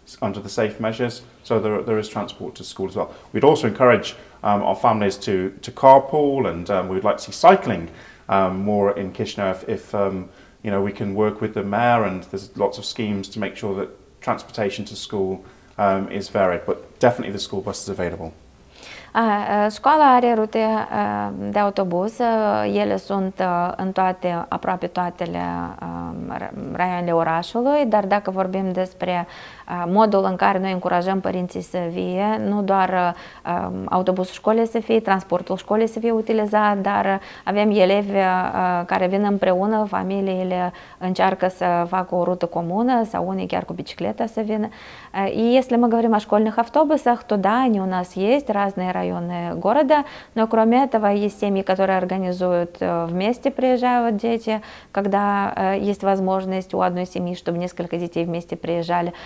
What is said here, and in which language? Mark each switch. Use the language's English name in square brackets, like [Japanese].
[English] under the safe measures, so there is transport to school as well. We'd also encourage our families to carpool, and we'd like to see cycling more in Chisinau if you know, we can work with the mayor, and there's lots of schemes to make sure that transportation to school is varied, but definitely the school bus is available. [Romanian] Școala are rute de autobuz, ele sunt în toate, aproape toate raioanele orașului, dar dacă vorbim despre modul în care noi încurajăm părinții să vie, nu doar autobuzul școlii să fie, transportul școlii să fie utilizat, dar avem elevi care vin împreună, familiile încearcă să facă o rută comună sau unii chiar cu bicicleta să vină. [Russian] И если мы говорим о школьных автобусах, то да, они у нас есть, разные районы города, но кроме этого есть семьи, которые организуют вместе, приезжают дети, когда есть возможность у одной семьи, чтобы несколько детей вместе приезжали.